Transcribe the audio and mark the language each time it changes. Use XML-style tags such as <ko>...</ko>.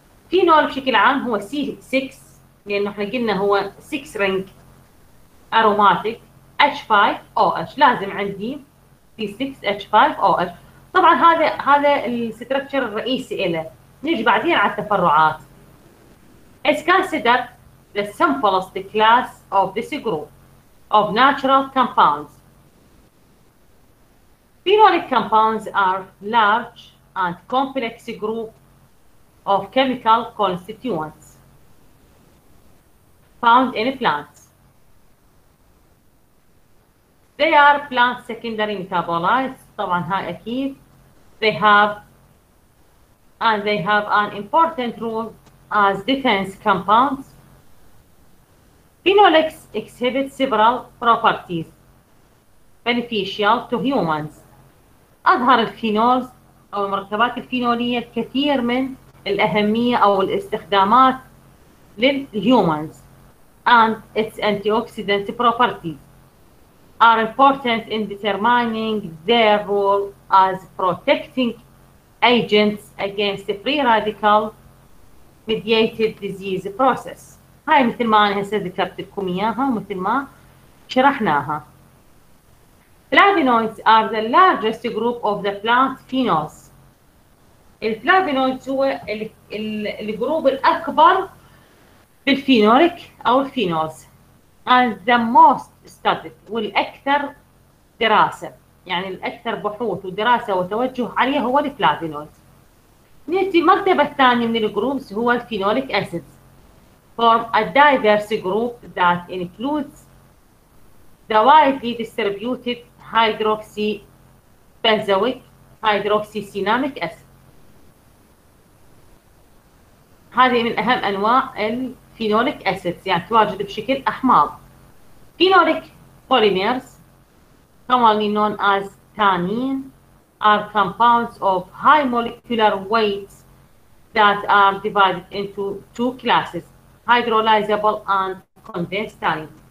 <ar>فينول بشكل عام هو C6 لأنه احنا قلنا هو</ar> <en>6 ring aromatic</en> <ar>H5OH، لازم عندي C6H5OH. طبعا هذا الستركتشر الرئيسي له. نيجي بعدين على التفرعات.</ar> <en>It's considered the simplest class of this group of natural compounds. Phenolic compounds are large and complex group of chemical constituents found in plants. They are plant secondary metabolites.</en> <ar>طبعا هاي اكيد.</ar> <en>They have an important role as defense compounds. Phenolics exhibit several properties beneficial to humans.</en> <ar>أظهر الفينولز أو المركبات الفينولية الكثير من الأهمية أو الاستخدامات للهيومنز.</ar> <en>And its antioxidant properties are important in determining their role as protecting agents against the free radical mediated disease process.</en> <ar>هاي مثل ما أنا هسه ذكرت لكم إياها ومثل ما شرحناها.</ar> <en>Flavonoids are the largest group of the plant phenols.</en> <ar>الفلافونويدز هو الجروب الأكبر بالفينوليك أو الفينولز.</ar> <en>And the most studied</en> <ar>والأكثر دراسة، يعني الأكثر بحوث ودراسة وتوجه عليه هو الفلافونويدز. نأتي المرتبة الثانية من الجروبز هو الفينوليك أسيدز.</ar> <en>Form a diverse group that includes the widely distributed hydroxy benzoic hydroxy cinnamic acid.</en> <ar>هذه من اهم انواع الفينوليك اسيدز، يعني تواجد بشكل احماض.</ar> <en>Phenolic polymers commonly known as tannin are compounds of high molecular weight that are divided into two classes, hydrolyzable and condensed tannin.</en>